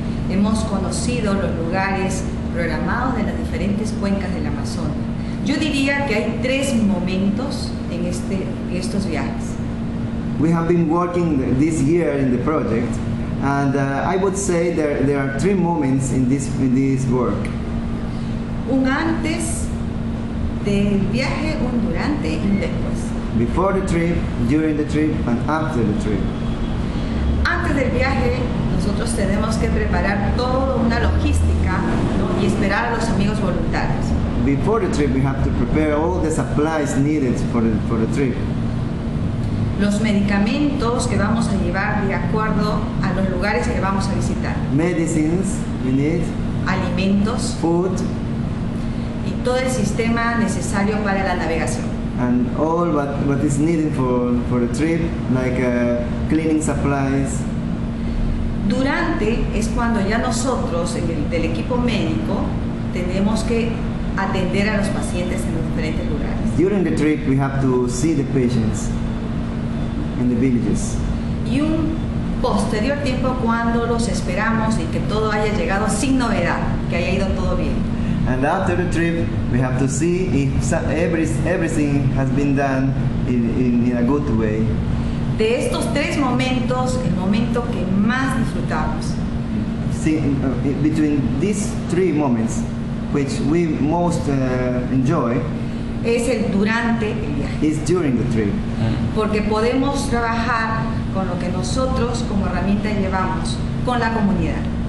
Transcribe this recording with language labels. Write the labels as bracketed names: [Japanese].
[Spanish] Hemos conocido los lugares programados de las diferentes cuencas del Amazonas. Yo diría que hay tres momentos en estos viajes. [English] We have been working this year in the project, and I would say there are three moments in this work. [Spanish] Un antes del viaje, un durante y un después. [English] Before the trip, during the trip, and after the trip. [Spanish] Antes del viaje, nosotros tenemos que preparar toda una logística y esperar a los amigos voluntarios. [English] Before the trip, we have to prepare all the supplies needed for the trip. [Spanish] Los medicamentos que vamos a llevar de acuerdo a los lugares que vamos a visitar. [English] Medicines we need. [Spanish] Alimentos. [English] Food. [Spanish] Y todo el sistema necesario para la navegación. [English] And all what is needed for the trip, like cleaning supplies. [Spanish] Durante es cuando ya nosotros, del equipo médico, tenemos que atender a los pacientes en los diferentes lugares. [English] During the trip, we have to see the patients in the villages. [Spanish] Y un posterior tiempo cuando los esperamos y que todo haya llegado sin novedad, que haya ido todo bien. [English] And after the trip, we have to see if everything has been done in a good way. [Spanish] De estos tres momentos, el momento que más disfrutamos. [English] Between these three moments, which we most enjoy, [Spanish] es el durante el viaje. [English] Is during the trip. [Spanish] Porque podemos trabajar con lo que nosotros como herramienta llevamos, con la comunidad.